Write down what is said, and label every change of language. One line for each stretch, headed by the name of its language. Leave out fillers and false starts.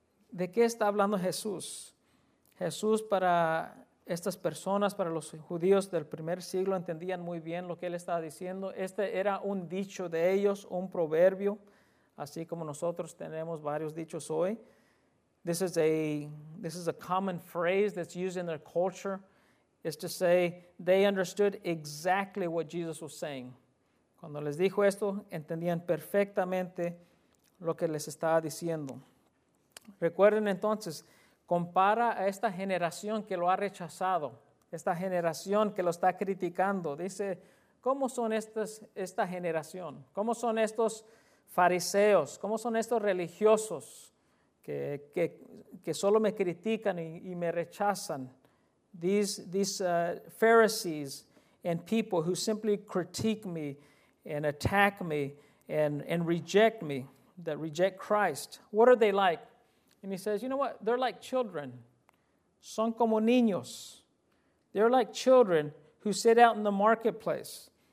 Spanish: ¿De qué está hablando Jesús? Jesús para estas personas, para los judíos del primer siglo, entendían muy bien lo que él estaba diciendo. Este era un dicho de ellos, un proverbio, así como nosotros tenemos varios dichos hoy.
English: This is a common phrase that's used in their culture. It's to say they understood exactly what Jesus was saying.
Spanish: Cuando les dijo esto, entendían perfectamente lo que les estaba diciendo. Recuerden entonces, compara a esta generación que lo ha rechazado, esta generación que lo está criticando. Dice, ¿cómo son esta generación? ¿Cómo son estos fariseos? ¿Cómo son estos religiosos que solo me critican y me rechazan?
English: These Pharisees and people who simply critique me and attack me and reject me, that reject Christ. What are they like? And he says, you know what? They're like children.
Spanish: Son como niños.
English: They're like children who sit out in the marketplace.